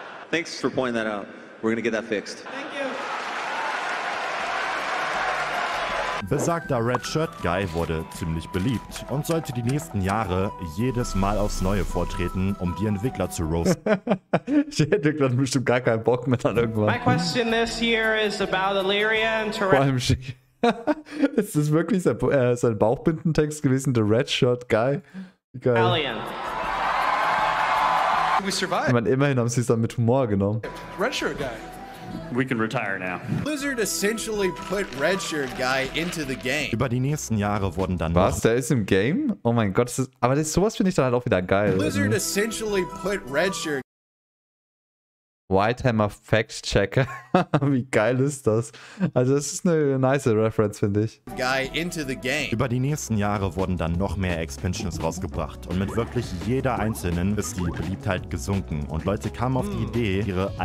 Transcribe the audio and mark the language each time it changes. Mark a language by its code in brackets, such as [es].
[en] Thanks for pointing that out. We're gonna get that fixed. Thank you. [de] Besagter Red Shirt Guy wurde ziemlich beliebt und sollte die nächsten Jahre jedes Mal aufs Neue vortreten, um die Entwickler zu roasten. Die Entwickler haben bestimmt gar keinen Bock mehr an irgendwas. [en] My question this year is about Illyria and [de] Es ist wirklich sein Bauchbindentext gewesen, der Red Shirt Guy. [en] Alien. We survived. [de] Ich meine, immerhin haben sie es dann mit Humor genommen. [en] Red Shirt Guy. We can retire now. Blizzard essentially put Red Shirt Guy into the game. [de] Über die nächsten Jahre wurden dann Was? Der ist im Game? Oh mein Gott, sowas finde ich dann halt auch wieder geil. [en] Blizzard essentially put Red Shirt [de] Whitehammer Fact Checker. Wie geil ist das? Also das ist eine nice Reference, finde ich. [en] Guy into the game. [de] Über die nächsten Jahre wurden dann noch mehr Expansions rausgebracht und mit wirklich jeder einzelnen ist die Beliebtheit gesunken und Leute kamen auf die Idee, ihre